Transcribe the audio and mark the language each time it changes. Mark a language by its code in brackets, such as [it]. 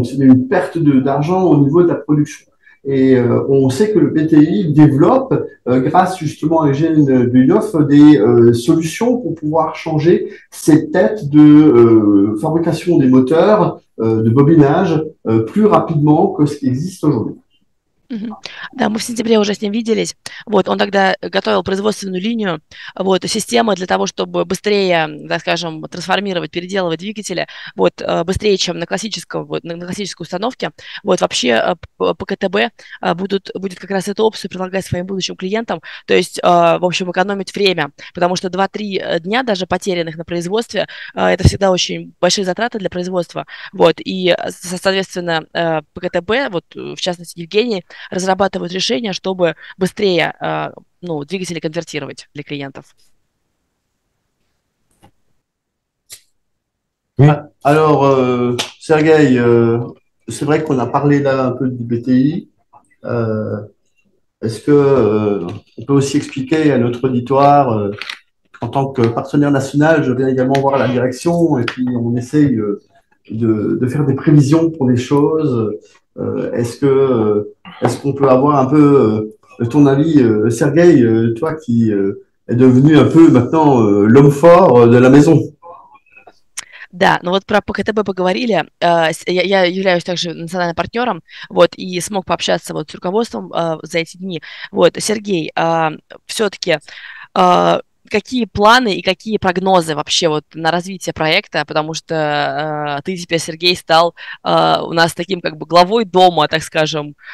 [fr] C'est une perte d'argent au niveau de la production. Et on sait que le BTI développe, grâce justement à Eugène Dunoff, des solutions pour pouvoir changer ces têtes de fabrication des moteurs, de bobinage, plus rapidement que ce qui existe aujourd'hui. [ru] Да, мы в сентябре уже с ним виделись. Вот, он тогда готовил производственную линию, вот, системы для того, чтобы быстрее, так скажем, трансформировать, переделывать двигатели, вот, быстрее, чем на классической установке. Вот, вообще по КТБ будет как раз эту опцию предлагать своим будущим клиентам, то есть, в общем, экономить время, потому что 2-3 дня даже потерянных на производстве, это всегда очень большие затраты для производства. Вот, и, соответственно, по КТБ, вот, в частности, Евгений, разрабатывают решения, чтобы быстрее, ну, двигатели конвертировать для клиентов. [fr] Alors, Sergei, c'est vrai qu'on a parlé là un peu du BTI. Est-ce que on peut aussi expliquer à notre auditoire, en tant que partenaire national, je viens également voir la direction et puis on essaye de faire des prévisions pour des choses. Est-ce qu'on peut avoir un peu ton avis, Sergueï, toi qui es devenu un peu maintenant l'homme fort de la maison? [ru] Да, ну вот про ПХТБ поговорили. Я являюсь также национальным партнером, вот, и смог пообщаться вот с руководством за эти дни. Вот, Сергей, все-таки какие планы и какие прогнозы вообще вот на развитие проекта, потому что ты теперь, Сергей, стал у нас таким как бы главой дома, так скажем.